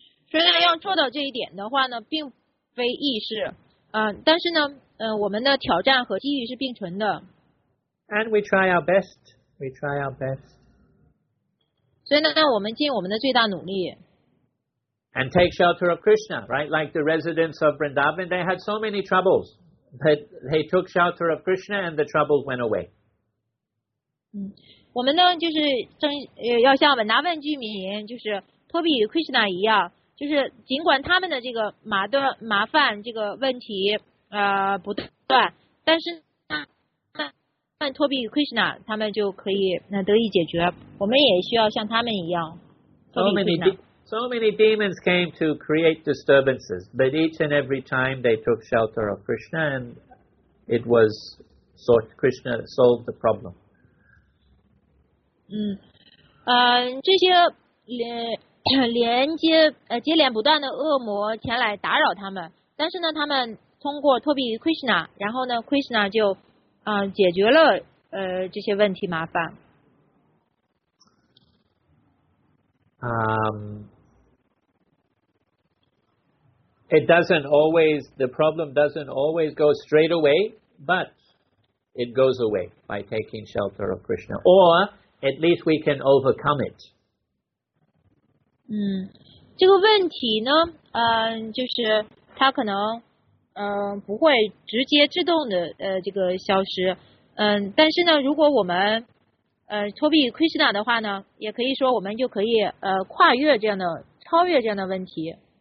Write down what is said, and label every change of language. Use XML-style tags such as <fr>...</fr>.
<zh>虽然要做到这一点的话呢，并非易事，但是呢，我们的挑战和机遇是并存的。</zh> <en>And we try our best. We try our best.</en> <zh>所以呢，我们尽我们的最大努力。</zh> <en>And take shelter of Krishna, right? Like the residents of Vrindavan, they had so many troubles, but they took shelter of Krishna and the troubles went away.</en> <zh>我们呢，就是正要像文达万居民，就是托比与 Krishna 一样，就是尽管他们的这个麻烦这个问题不断，但是他们托比与 Krishna 他们就可以得以解决。我们也需要像他们一样。</zh> <en>So many demons came to create disturbances, but each and every time they took shelter of Krishna, and it was sort Krishna solved the problem.</en> <zh>这些接连不断的恶魔前来打扰他们，但是呢，他们通过托比于 Krishna， 然后呢 ，Krishna 就解决了这些问题麻烦。</zh> <en>It doesn't always, the problem doesn't always go straight away, but it goes away by taking shelter of Krishna. Or at least we can overcome it.</en> <zh>这个问题呢，就是它可能不会直接自动的这个消失。但是呢，如果我们脱避 Krishna 的话呢，也可以说我们就可以超越这样的问题。</zh>